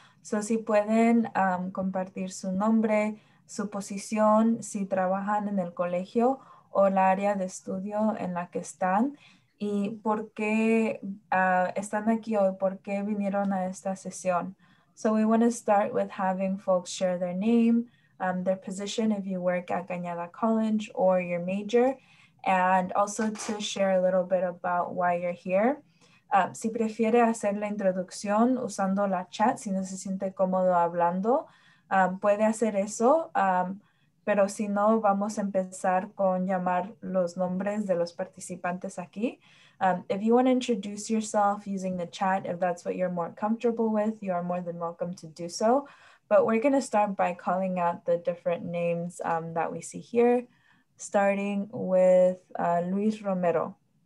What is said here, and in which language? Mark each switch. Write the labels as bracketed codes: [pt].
[es] So si pueden compartir su nombre, su posición, si trabajan en el colegio o el área de estudio en la que están y por qué están aquí hoy, por qué vinieron a esta sesión. [en] So we want to start with having folks share their name, their position if you work at Cañada College or your major, and also to share a little bit about why you're here. [es] Si prefiere hacer la introducción usando la chat, si no se siente cómodo hablando, puede hacer eso, pero si no, vamos a empezar con llamar los nombres de los participantes aquí. [en] If you want to introduce yourself using the chat, if that's what you're more comfortable with, you are more than welcome to do so. But we're going to start by calling out the different names that we see here, starting with Luis Romero.